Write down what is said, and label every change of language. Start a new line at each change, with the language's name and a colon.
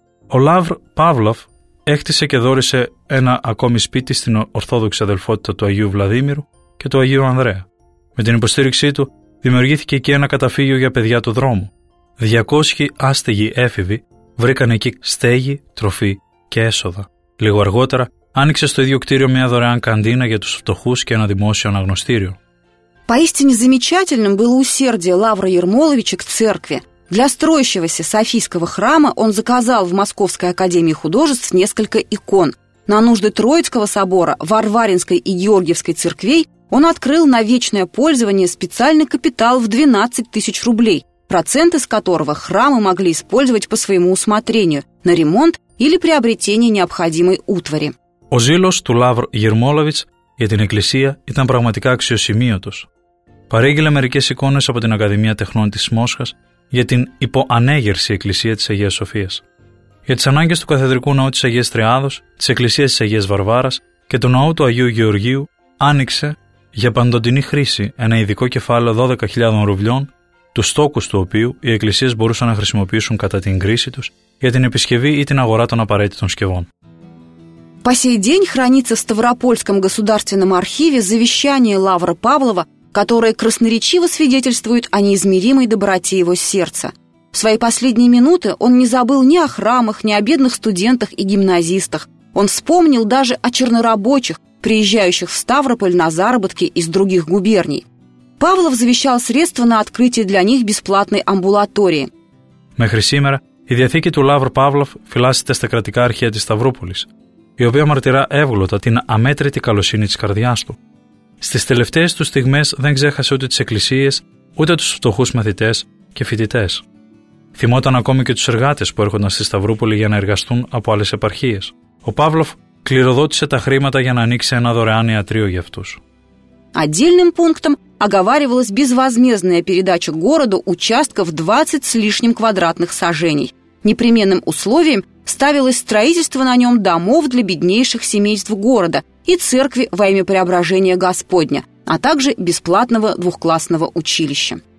Greek: Ο Λαύρ Παύλοφ έκτισε και δόρισε ένα ακόμη σπίτι στην Ορθόδοξη Αδελφότητα του Αγίου Βλαδίμηρου και του Αγίου Ανδρέα. Με την υποστήριξή του δημιουργήθηκε εκεί ένα καταφύγιο για παιδιά του δρόμου. 200 άστεγοι έφηβοι βρήκαν εκεί στέγη, τροφή και έσοδα. Λίγο αργότερα άνοιξε στο ίδιο κτίριο μια δωρεάν καντίνα για τους φτωχούς και ένα δημόσιο αναγνωστήριο.
Russian: Поистине замечательным было усердие Лавра Ермоловича к церкви. Для строящегося Софийского храма он заказал в Московской академии художеств несколько икон. На нужды Троицкого собора, Варваринской и Георгиевской церквей он открыл на вечное пользование специальный капитал в 12 000 рублей, проценты с которого храмы могли использовать по своему усмотрению на ремонт или приобретение необходимой утвари.
Greek: Ο ζήλος του Λαύρ Γερμόλαβιτς για την Εκκλησία ήταν πραγματικά αξιοσημείωτος. Παρήγγειλε μερικές εικόνες από την Ακαδημία Τεχνών της Μόσχας για την υποανέγερση Εκκλησία της Αγίας Σοφίας. Για τις ανάγκες του Καθεδρικού Ναού της Αγίας Τριάδος, της Εκκλησίας της Αγίας Βαρβάρας και του Ναού του Αγίου Γεωργίου άνοιξε για παντοτινή χρήση ένα ειδικό κεφάλαιο 12.000 ρουβλιών, τους στόκους του οποίου οι εκκλησίες μπορούσαν να χρησιμοποιήσουν κατά την κρίση τους για την επισκευή ή την αγορά των απαραίτητων σκευών.
Russian: По сей день хранится в Ставропольском государственном архиве завещание Лавра Павлова, которое красноречиво свидетельствует о неизмеримой доброте его сердца. В свои последние минуты он не забыл ни о храмах, ни о бедных студентах и гимназистах. Он вспомнил даже о чернорабочих, приезжающих в Ставрополь на заработки из других губерний. Павлов завещал средства на открытие для них бесплатной амбулатории.
Greek: Мехри сімера і діатіки ту Лавр Павлов філасите ста кратика архія ті Ставрополіс, η οποία μαρτυρά εύγλωτα την αμέτρητη καλοσύνη της καρδιάς του. Στις τελευταίες του στιγμές δεν ξέχασε ούτε τις εκκλησίες, ούτε τους φτωχούς μαθητές και φοιτητές. Θυμόταν ακόμη και τους εργάτες που έρχονταν στη Σταυρούπολη για να εργαστούν από άλλες επαρχίες. Ο Παύλοφ κληροδότησε τα χρήματα για να ανοίξει ένα δωρεάν ιατρείο για αυτούς.
Russian: Отдельным пунктом оговаривалась безвозмездная передача городу участков 20 с лишним квадратных сажений. Непременным условием ставилось строительство на нем домов для беднейших семейств города и церкви во имя преображения Господня, а также бесплатного двухклассного училища.